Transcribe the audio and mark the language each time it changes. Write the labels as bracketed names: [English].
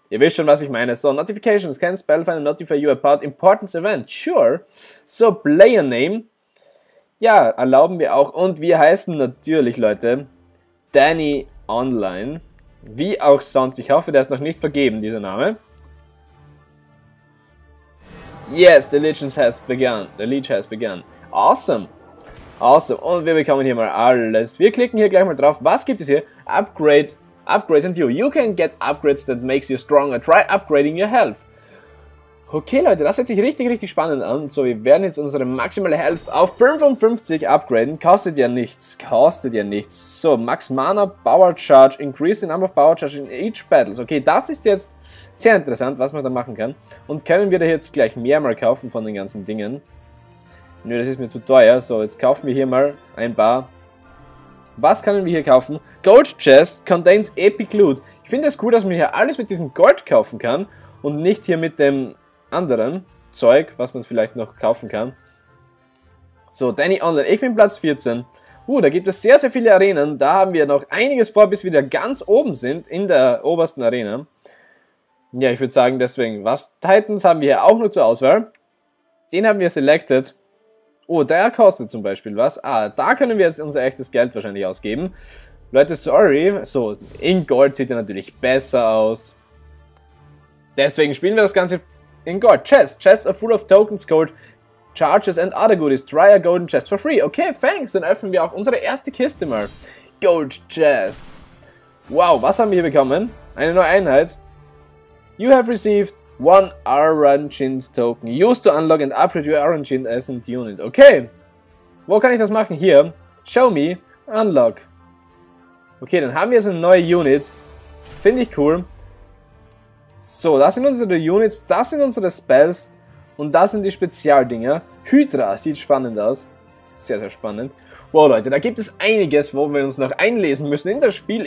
[German] Ihr wisst schon, was ich meine. [English] So, Notifications, can Spellfinder notify you about important event? Sure. [German] So, Player Name, ja, erlauben wir auch. Und wir heißen natürlich, Leute, Danny Online, wie auch sonst. Ich hoffe, der ist noch nicht vergeben, dieser Name. [English] Yes, the Legends has begun, the Leech has begun. Awesome. Awesome. [German] Und wir bekommen hier mal alles. Wir klicken hier gleich mal drauf. Was gibt es hier? Upgrade. [English] Upgrades and you. You can get upgrades that makes you stronger. Try upgrading your health. [German] Okay, Leute. Das hört sich richtig, richtig spannend an. So, wir werden jetzt unsere maximale Health auf 55 upgraden. Kostet ja nichts. Kostet ja nichts. So, Max Mana Power Charge. [English] Increase the number of Power Charge in each battle. [German] Okay, das ist jetzt sehr interessant, was man da machen kann. Und können wir da jetzt gleich mehr mal kaufen von den ganzen Dingen? Nö, das ist mir zu teuer. So, jetzt kaufen wir hier mal ein paar. Was können wir hier kaufen? [English] Gold Chest contains Epic Loot. [German] Ich finde es cool, dass man hier alles mit diesem Gold kaufen kann und nicht hier mit dem anderen Zeug, was man vielleicht noch kaufen kann. So, Danny Online. Ich bin Platz 14. Da gibt es sehr, sehr viele Arenen. Da haben wir noch einiges vor, bis wir da ganz oben sind in der obersten Arena. Ja, ich würde sagen, deswegen. Was Titans haben wir hier auch nur zur Auswahl. Den haben wir selected. Oh, der kostet zum Beispiel was. Ah, da können wir jetzt unser echtes Geld wahrscheinlich ausgeben. Leute, sorry. So, in Gold sieht er natürlich besser aus. Deswegen spielen wir das Ganze in Gold. [English] Chests. Chests are full of tokens, gold, charges and other goodies. Try a golden chest for free. Okay, thanks. [German] Dann öffnen wir auch unsere erste Kiste mal. Gold Chest. Wow, was haben wir hier bekommen? Eine neue Einheit. [English] You have received one Arangent Token. Used to unlock and upgrade your Arangent Ascent Unit. [German] Okay. Wo kann ich das machen? Hier. [English] Show me. [German] Unlock. Okay, dann haben wir jetzt eine neue Unit. Finde ich cool. So, das sind unsere Units. Das sind unsere Spells. Und das sind die Spezialdinger. Hydra sieht spannend aus. Sehr, sehr spannend. Wow, Leute, da gibt es einiges, wo wir uns noch einlesen müssen in das Spiel.